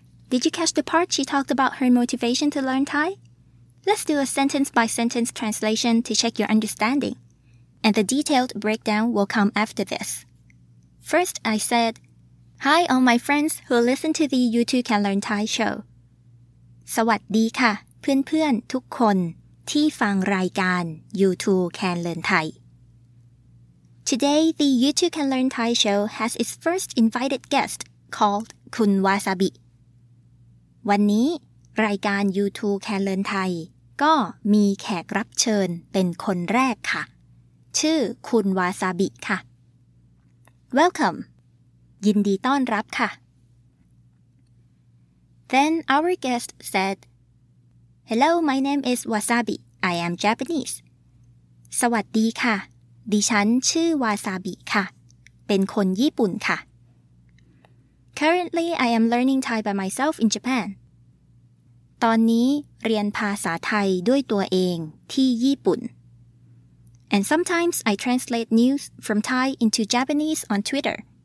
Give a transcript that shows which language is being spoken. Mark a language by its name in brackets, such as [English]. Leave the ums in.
[English] Did you catch the part she talked about her motivation to learn Thai? Let's do a sentence by sentence translation to check your understanding. And the detailed breakdown will come after this. First, I said, Hi, all my friends who listen to the You Too Can Learn Thai show. [Thai] สวัสดีค่ะ เพื่อนๆ ทุกคนที่ฟังรายการ You Too Can Learn Thai. [English] Today, the You Too Can Learn Thai show has its first invited guest called คุณวาซาบิ [Thai] วันนี้รายการ YouTube Can Learn Thai ก็มีแขกรับเชิญเป็นคนแรกค่ะ ชื่อคุณวาซาบิค่ะ [English] Welcome [Thai] ยินดีต้อนรับค่ะ [English] Then our guest said, Hello, my name is Wasabi. I am Japanese. [Thai] สวัสดีค่ะ ดิฉันชื่อวาซาบิค่ะ เป็นคนญี่ปุ่นค่ะ [English] Currently, I am learning Thai by myself in Japan. [Thai] ตอนนี้เรียนภาษาไทยด้วยตัวเองที่ญี่ปุ่น [English] And sometimes I translate news from Thai into Japanese on Twitter.